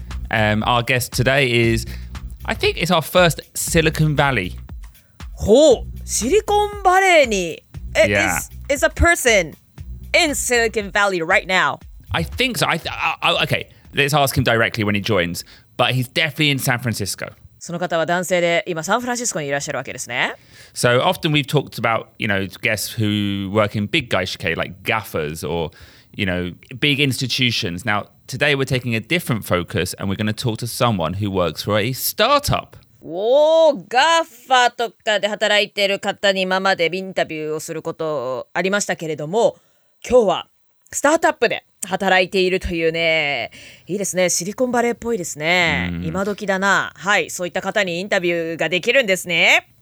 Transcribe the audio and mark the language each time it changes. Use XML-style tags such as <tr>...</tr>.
<en>Our guest today is, I think it's our first Silicon Valley. Ho, Silicon Valley ni. Is a person in Silicon Valley right now. I think so. Okay, let's ask him directly when he joins. But he's definitely in San Francisco.</en> <ja>その方は男性で今サンフランシスコにいらっしゃるわけですね。</ja> <en>So often we've talked about, you know, guests who work in big 外資系, like GAFAs or, you know, big institutions. Now,Today we're taking a different focus and we're going to talk to someone who works for a startup.</en> <ja>Oh, GAFA とかで働いてる方に今までインタビューをすることありましたけれども、今日はスタートアップで働いているというね、いいですね、シリコンバレーっぽいですね。今時だな。はい、そういった方にインタビューができるんですね。</ja>